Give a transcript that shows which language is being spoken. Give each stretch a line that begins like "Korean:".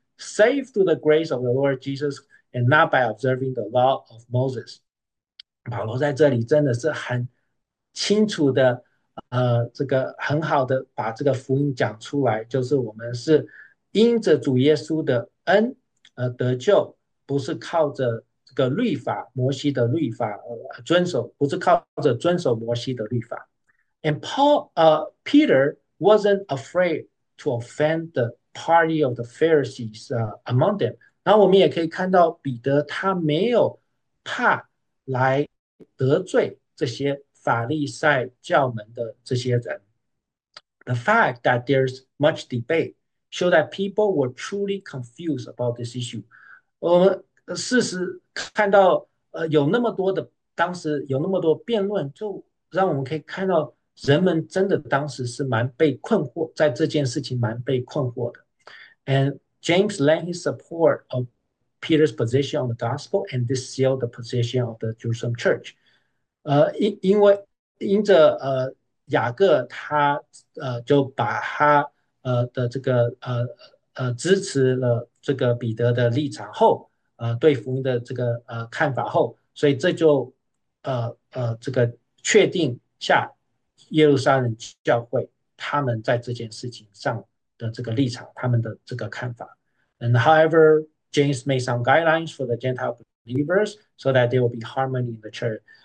English: Saved through the grace of the Lord Jesus and not by observing the law of Moses。
Chinese: 保罗在这里真的是很清楚的，这个很好的把这个福音讲出来，就是我们是因着主耶稣的恩而得救，不是靠着这个律法，摩西的律法而遵守，不是靠着遵守摩西的律法。
English: And Paul, Peter wasn't afraid to offend the Party of the Pharisees, among them。
Chinese: 然后我们也可以看到，彼得他没有怕来得罪这些法利赛教门的这些人。
English: The fact that there's much debate show that people were truly confused about this issue。
Chinese: 我们事实看到，有那么多的当时有那么多辩论，就让我们可以看到，人们真的当时是蛮被困惑，在这件事情蛮被困惑的。
English: And James lent his support of Peter's position on the gospel, and this sealed the position of the Jerusalem church.
Chinese: 因着雅各他就把他的这个支持了这个彼得的立场后，对福音的这个看法后，所以这就这个确定下耶路撒冷教会他们在这件事情上。的这个立场，他们的这个看法。
English: And however, James made some guidelines for the Gentile believers so that there will be harmony in the church.